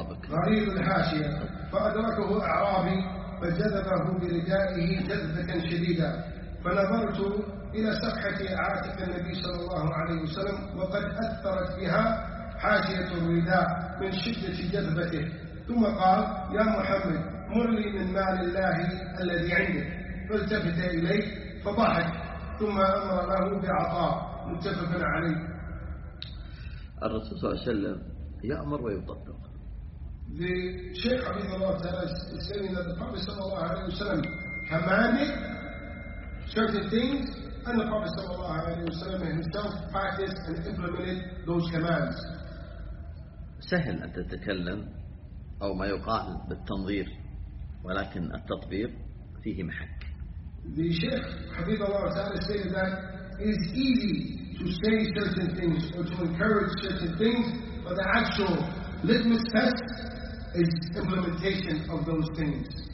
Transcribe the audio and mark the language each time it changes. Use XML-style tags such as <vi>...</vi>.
<ar>غريب الحاشيه فادركه اعرابي فجذبه بردائه جذبه شديده فنظرت الى سفحه عاتق النبي صلى الله عليه وسلم وقد اثرت بها حاشيه الرداء من شده جذبته ثم قال يا محمد مرني من مال الله الذي عندك فالتفت اليه فضحك ثم امر له بعطاء متفق عليه الرسول صلى الله عليه وسلم يامر ويطبق لشيخ عبد الله تعالى السيد النبي صلى الله عليه وسلم حماني</ar> <en>certain things and the Prophet sallallahu alayhi wa sallam himself practiced and implemented those commands.</en> <ar>سهل أن تتكلم أو ما يقال بالتنظير ولكن التطبير فيه محك.</ar> <en>The Sheikh</en> <ar>حفظه الله تعالى</ar> <en>said that it's easy to say certain things or to encourage certain things but the actual litmus test is implementation of those things.</en>